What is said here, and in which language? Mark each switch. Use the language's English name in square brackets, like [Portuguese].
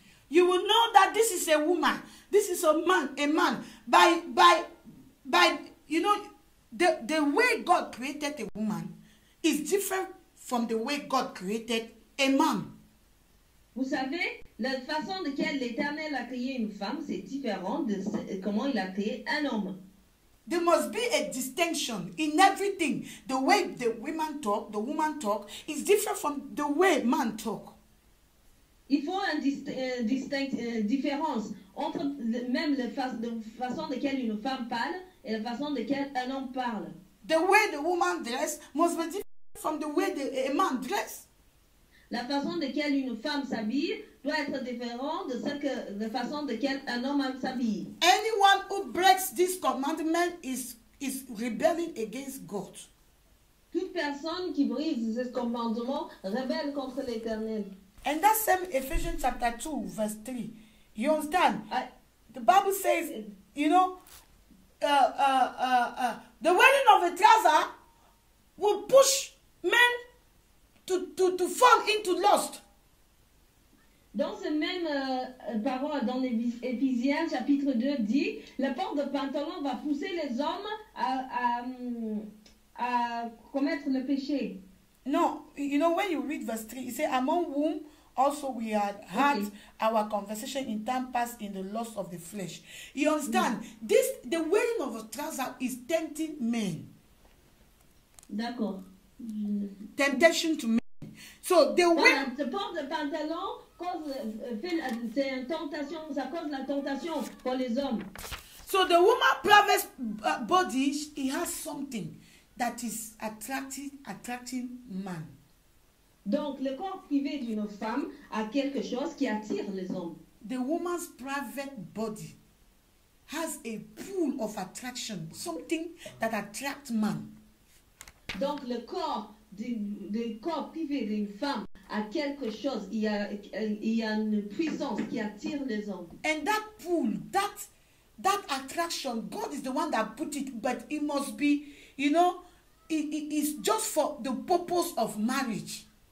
[English] You will know that this is a woman, this is a man by you know, the way God created a woman is different from the way God created a man. [French] Vous savez, la façon de laquelle l'Éternel a créé une femme, c'est différent de comment il a créé un homme. [English] There must be a distinction in everything. The way the woman talk is different from the way man talk. [French] Il faut une différence entre la façon de laquelle une femme parle et la façon de laquelle un homme parle. [English] The way the woman dress must be different from the way a man dress. [French] La façon de quelle une femme s'habille doit être différente de celle que la façon de quelle un homme s'habille. [English] Anyone who breaks this commandment is rebelling against God. [French] Toute personne qui brise ce commandement rebelle contre l'Éternel. [English] And that same Ephesians chapter 2, verse 3. You understand? The Bible says, you know, the wearing of a trouser will push men to fall into lust. [French] Dans ce même parole, dans Éphésiens chapitre 2, dit, la porte de pantalon va pousser les hommes à commettre le péché. [English] Non, you know, when you read verse 3, it says, among whom also we had had our conversation in time past in the lust of the flesh. You understand? This, the wearing of a trouser is tempting men. [French] D'accord. [English] Temptation to men. So the way. [French] The port de pantalon cause fait c'est une tentation, ça cause la tentation pour les hommes. [English] So the woman private body, he has something that is attracting man. [French] Donc le corps privé d'une femme a quelque chose qui attire les hommes. [English] The woman's private body has a pool of attraction, something that attracts man. [French] Donc le corps du corps privé d'une femme a quelque chose, il y a une puissance qui attire les hommes. [English] And that pool, that attraction, God is the one that put it, but it must be, you know, it is just for the purpose of marriage.